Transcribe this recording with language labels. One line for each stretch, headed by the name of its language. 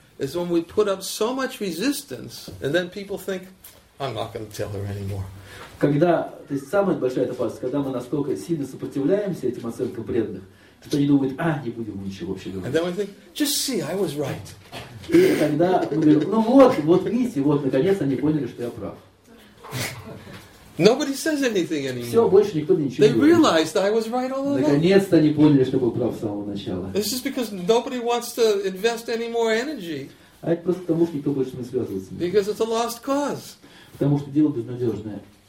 English: Is when we put up so much resistance, and then people think, "I'm not going to tell her anymore."
Russian: Когда, то есть самая большая опасность, когда мы настолько сильно сопротивляемся этим оценкам преданных, то они думают, "А, не будем ничего вообще говорить."
English: And then we think, "Just see, I was right."
Russian: И тогда мы говорим, "Ну вот, вот видите, вот наконец они поняли, что я прав."
English: Nobody says anything anymore.
Russian: Все, больше никто ничего не говорит.
English: They realized I was right all along.
Russian: Наконец-то они поняли, что был прав с самого начала.
English: This is because nobody wants to invest any more energy.
Russian: А это просто потому, что никто больше не связывается.
English: Because it's a lost cause.
Russian: Потому что дело безнадежное.